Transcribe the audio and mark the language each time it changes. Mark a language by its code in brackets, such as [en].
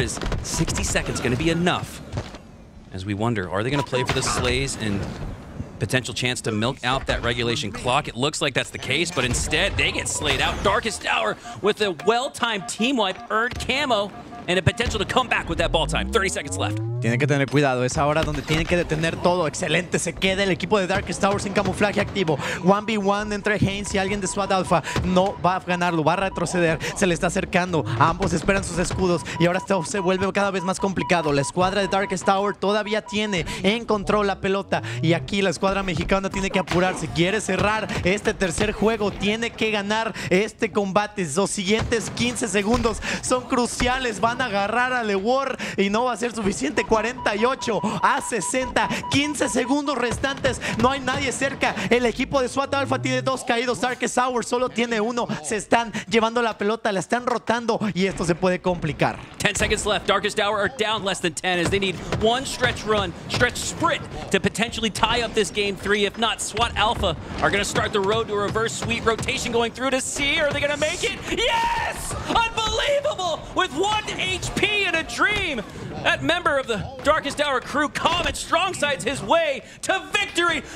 [en] Is 60 seconds going to be enough? As we wonder, are they going to play for the slays and potential chance to milk out that regulation clock? It looks like that's the case, but instead they get slayed out. Darkest Hour with a well-timed team wipe, earned camo, and a potential to come back with that ball time. 30 seconds left. [es] Tienen que tener cuidado. Es ahora donde tienen que detener todo. Excelente. Se queda el equipo de Darkest Hour sin camuflaje activo. 1v1 entre Haines y alguien de SWAT Alpha. No va a ganarlo. Va a retroceder. Se le está acercando. Ambos esperan sus escudos. Y ahora esto se vuelve cada vez más complicado. La escuadra de Darkest Hour todavía tiene en control la pelota. Y aquí la escuadra mexicana tiene que apurarse. Quiere cerrar este tercer juego. Tiene que ganar este combate. Los siguientes 15 segundos son cruciales. Van a agarrar a Leuor y no va a ser suficiente. 48 a 60, 15 segundos restantes, no hay nadie cerca. El equipo de SWAT Alpha tiene dos caídos, Darkest Hour solo tiene uno. Se están llevando la pelota, la están rotando, y esto se puede complicar. [en] 10 seconds left. Darkest Hour are down less than 10 as they need one stretch run, stretch sprint, to potentially tie up this game three. If not, SWAT Alpha are going to start the road to a reverse sweep rotation going through to see. Are they going to make it? Yes! Unbelievable! With one HP and a dream, that member of the Darkest Hour crew, Comet, strong sides his way to victory.